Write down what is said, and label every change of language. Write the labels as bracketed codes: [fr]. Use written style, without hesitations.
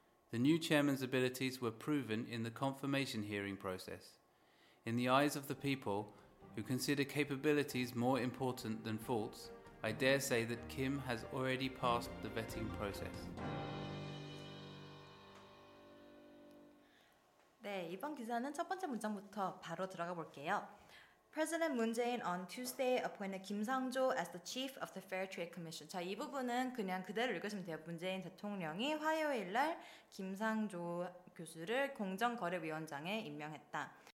[en] The new chairman's abilities were proven in the confirmation hearing process. In the eyes of the people, who consider capabilities more important than faults, I dare say that Kim has already passed the vetting process. [ko] 네, 이번 기사는 첫 번째 문장부터 바로 들어가 볼게요. [en] President Moon Jae-in on Tuesday appointed Kim Sang-jo as the chief of the Fair Trade Commission. [ko] 자, 이 부분은 그냥 그대로 읽으시면 돼요. 문재인 대통령이 화요일 날 김상조 교수를 공정거래위원장에 임명했다.